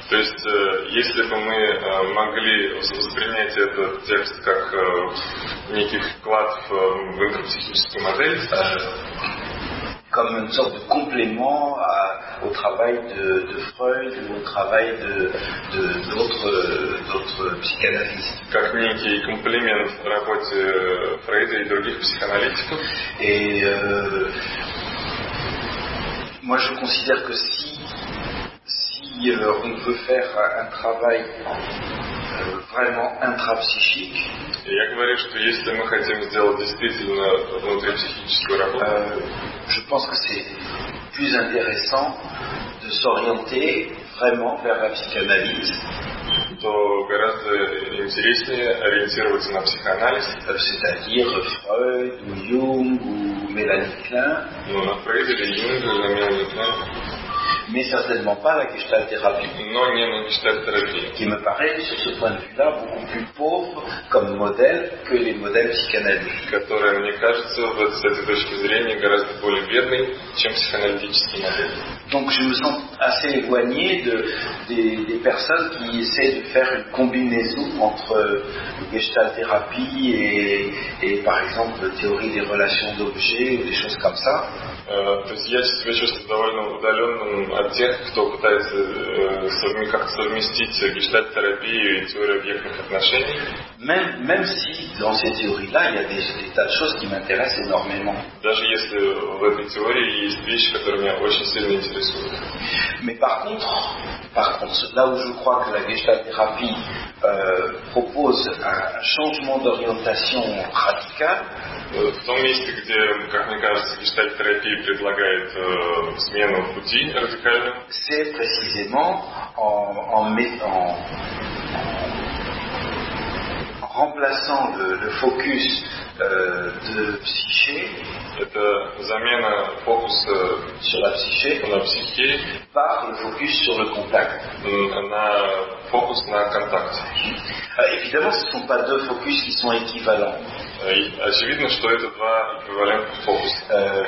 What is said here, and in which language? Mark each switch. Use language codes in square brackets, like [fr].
[ru] То есть, если бы мы могли воспринять этот текст как некий вклад в интрапсихическую модель, [fr] comme une sorte de complément au travail de Freud ou au travail d'autres psychanalystes. [ru] Как некий комплимент в работе Фрейда и других психоаналитиков. [fr] Et moi je considère que si on peut faire un travail vraiment intrapsychique. [ru] И я говорю, что если мы хотим сделать действительно внутрипсихическую работу, [fr] je pense que c'est plus intéressant de s'orienter vraiment vers la psychanalyse. [ru] То гораздо интереснее ориентироваться на психоанализ. [fr] C'est-à-dire Freud ou Jung ou Mélanie Klein. [ru] Ну, на Фрейда или Юнга, на Мелани Клайн. [fr] Mais certainement pas la gestalt-thérapie. Non, il y a une gestalt-thérapie. Qui me paraît, sur ce point de vue-là, beaucoup plus pauvre comme modèle que les modèles psychanalytiques. [ru] Которая, мне кажется, вот с этой точки зрения, гораздо более бедной, чем психоаналитический модель. [fr] Donc je me sens assez éloigné des personnes qui essaient de faire une combinaison entre gestalt-thérapie et par exemple, théorie des relations d'objets ou des choses comme ça. [ru] То есть я себя чувствую довольно удаленным от тех, кто пытается как-то совместить гештальт-терапию и теорию объектных отношений. [fr] Même si dans ces théories-là, il y a des tas de choses qui m'intéressent énormément. [ru] Даже если в этой теории есть вещи, которые меня очень сильно интересуют. [fr] Mais par contre, là où je crois que la гештальт-терапия propose un changement d'orientation radical. [ru] В том месте, где, как мне кажется, гештальт-терапия предлагает смену пути радикально. [fr] C'est précisément en mettant, en remplaçant le focus de psyché. [ru] Это замена фокуса [fr] sur la psyché, [ru] на психике, [fr] par le focus sur le contact. [ru] На фокус на контакте. [fr] Évidemment, ce ne sont pas deux focus qui sont équivalents. [ru] Очевидно, что это два эквивалентных фокуса.